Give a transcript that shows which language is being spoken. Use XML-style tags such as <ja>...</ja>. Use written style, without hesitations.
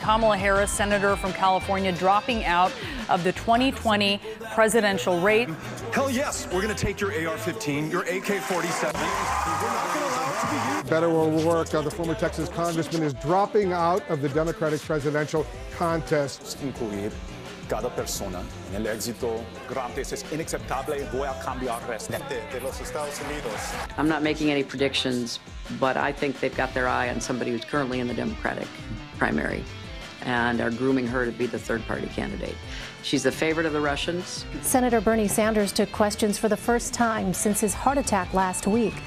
<en>Kamala Harris, senator from California, dropping out of the 2020 presidential race. Hell yes, we're going to take your AR-15, your AK-47. Beto O'Rourke, the former Texas congressman, is dropping out of the Democratic presidential contest.</en> <es>Incluir cada persona en el éxito grande es inaceptable. Voy a cambiar presidente de los Estados Unidos.</es> <en>I'm not making any predictions, but I think they've got their eye on somebody who's currently in the Democratic primary. and are grooming her to be the third party candidate. She's the favorite of the Russians. Senator Bernie Sanders took questions for the first time since his heart attack last week.</en>